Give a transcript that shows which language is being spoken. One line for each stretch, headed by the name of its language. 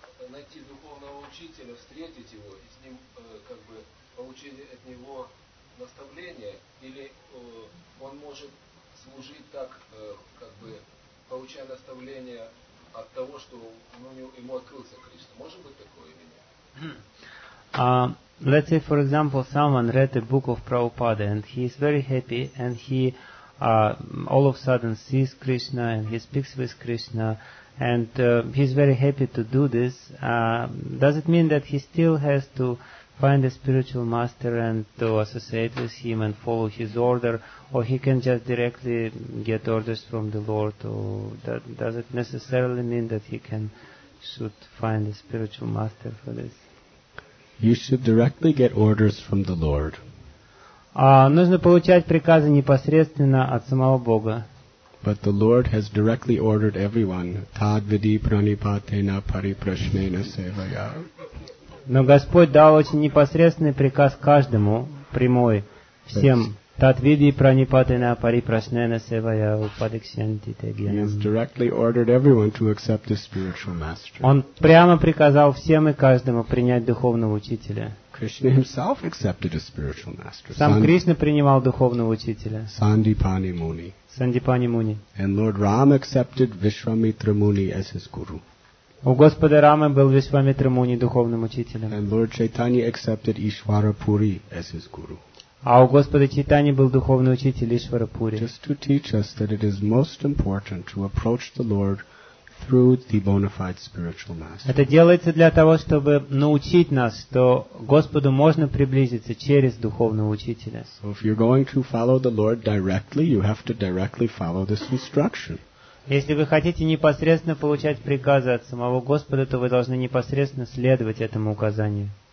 Russian: Найти духовного учителя, встретить его и с ним как бы получить от него наставление, или он может служить так, как бы получая наставление от того, что ему открылся Кришна. Может быть такое или нет?
English: Let's say, for example, someone read the book of Prabhupada and he is very happy and he all of a sudden sees Krishna and he speaks with Krishna. And he's very happy to do this. Does it mean that he still has to find a spiritual master and to associate with him and follow his order? Or he can just directly get orders from the Lord? Does it necessarily mean that he should find a spiritual master for this? You should directly get orders from the Lord.
Russian: Нужно получать приказы непосредственно от самого Бога.
English: But the Lord has directly ordered everyone,
Sanskrit: Tad Vidi Pranipatena Pariprashmena Sevaya.
Russian: Но Господь дал очень непосредственный приказ каждому, прямой, всем
Sanskrit: Татвиди Пранипатина Парипрашнена Севая Упадексенти Тегьян.
English: He has directly ordered everyone to accept the spiritual master.
Russian: Он прямо приказал всем и каждому принять духовного учителя.
English: Krishna himself accepted a spiritual master.
Russian: Сам Кришна принимал духовного учителя. Сандипани Муни. Сандипани Муни.
English: And Lord Rama accepted Vishwamitra Muni as his guru.
Russian: У Господа Рамы был Вишвамитра Муни духовным учителем.
English: And Lord Chaitanya accepted Ishvara Puri as his guru.
Russian: А у Господа Чайтани был духовный учитель Ишвара Пури.
English: Just to teach us that it is most important to approach the Lord through the bona fide spiritual master.
Russian: Это делается для того, чтобы научить нас, что Господу можно приблизиться через духовного учителя.
English: So if you're going to follow the Lord directly, you have to directly follow this instruction.
Russian: Если вы хотите непосредственно получать приказы от самого Господа, то вы должны непосредственно следовать этому указанию.